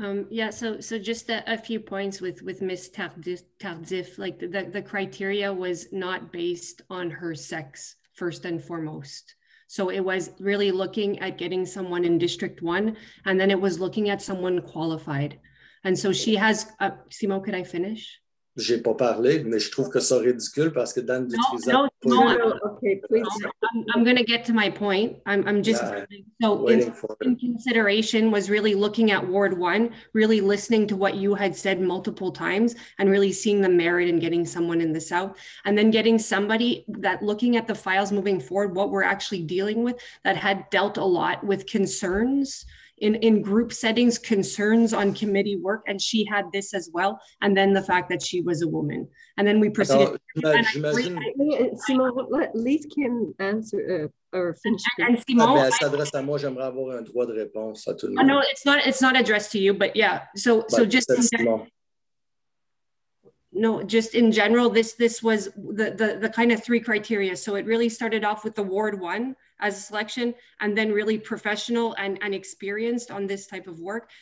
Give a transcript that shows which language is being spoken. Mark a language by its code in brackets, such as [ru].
[en] Yeah, so just a few points with Ms. Tardif. Like the criteria was not based on her sex, first and foremost. So it was really looking at getting someone in District 1, and then it was looking at someone qualified. And so she has, Simon, could I finish? [fr] J'ai pas parlé, mais je trouve que ça ridicule parce que Dan [en] no, Dutrisac... No, no, no, okay, please. I'm going to get to my point. I'm just... Yeah, so in consideration was really looking at Ward 1, really listening to what you had said multiple times and really seeing the merit in getting someone in the South. And then getting somebody that looking at the files moving forward, what we're actually dealing with, that had dealt a lot with concerns... In group settings, concerns on committee work, and she had this as well, and then the fact that she was a woman. And then we proceeded. Simon, let Kim answer or finish. And Simon, [fr] elle s'adresse à moi, j'aimerais avoir un droit de réponse à tout le monde. [en] No, it's not addressed to you, but yeah. So just in general, this was the kind of three criteria. So it really started off with the Ward 1. As a selection, and then really professional and experienced on this type of work.